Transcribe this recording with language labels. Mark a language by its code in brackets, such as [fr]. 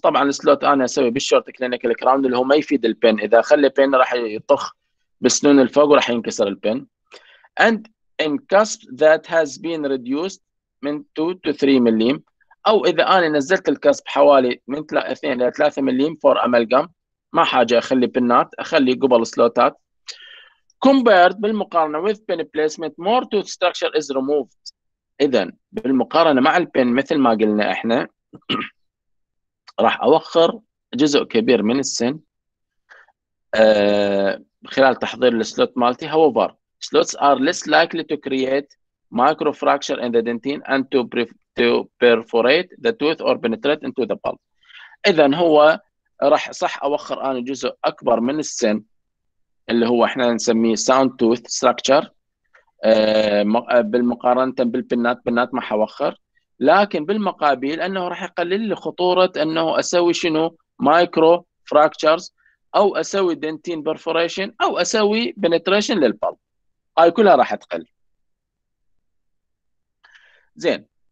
[ar] طبعا السلوت انا اسوي بالشورت كلينيكال كراون اللي هو ما يفيد البن، اذا خلي بن راح يطخ بسنون الفوق وراح ينكسر البن. [en] And in cusp that has been reduced [ar] من 2 to 3 مليم، او اذا انا نزلت الكسب حوالي من 2 الى 3 مليم فور امالجام، ما حاجه اخلي بنات، اخلي قبل سلوتات. [en] Compared [ar] بالمقارنه [en] with pin placement more tooth structure is removed. [ar] اذا بالمقارنه مع البن مثل ما قلنا احنا راح اوخر جزء كبير من السن خلال تحضير السلوت مالتي. [en] however slots are less likely to create micro fracture in the dentin and to perforate the tooth or penetrate into the pulp. [ar] اذا هو راح صح اوخر انا جزء اكبر من السن اللي هو احنا نسميه sound tooth structure بالمقارنة بالبنات، بنات ما حوخر، لكن بالمقابل أنه راح يقلل لي خطورة أنه أسوي شنو مايكرو فراكتشرز، أو أسوي دنتين بيرفوريشن، أو أسوي بنتريشن للبلب، هاي كلها راح تقل. زين